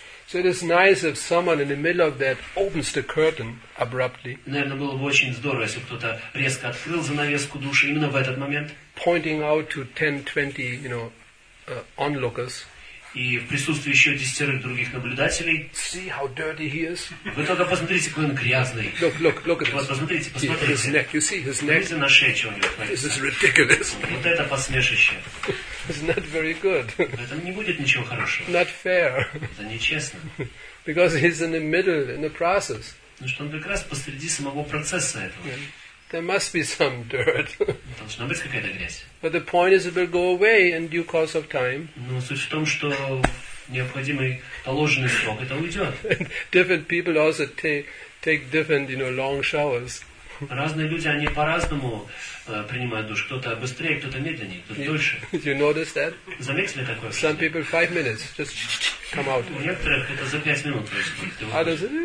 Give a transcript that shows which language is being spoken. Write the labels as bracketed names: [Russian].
[English] So it is nice if someone in the middle of that opens the curtain abruptly. [Russian] Наверное, было бы очень здорово, если кто-то резко открыл занавеску души именно в этот момент. [English] Pointing out to 10-20, you know, onlookers. [Russian] И в присутствии еще десятерых других наблюдателей. [English] See how dirty he is. [Russian] Вы только посмотрите, какой он грязный. [English] Look at [Russian] вот [English] this. [Russian] Посмотрите, посмотрите. [English] His neck. You see his neck. [Russian] Видите на шее, что у него творится. [English] This is ridiculous. [Russian] Вот это посмешище. [English] It's not very good. [Russian] Это не будет ничего хорошего. [English] Not fair. [Russian] Это нечестно. [English] Because he's in the middle, in the process. [Russian] Ну что, он как раз посреди самого процесса этого. [English] Yeah. There must be some dirt. [Russian] Должна быть какая-то грязь. [English] But the point is, it will go away in due course of time. [Russian] Но суть в том, что необходимый положенный срок это уйдет. [English] Different people also take different, you know, long showers. [Russian] Разные люди, они по-разному принимают душ. Кто-то быстрее, кто-то медленнее, кто-то дольше. [English] Did you notice that? [Russian] Заметили такое? [English] Some people 5 minutes just come out. [Russian] У некоторых это за 5 минут происходит.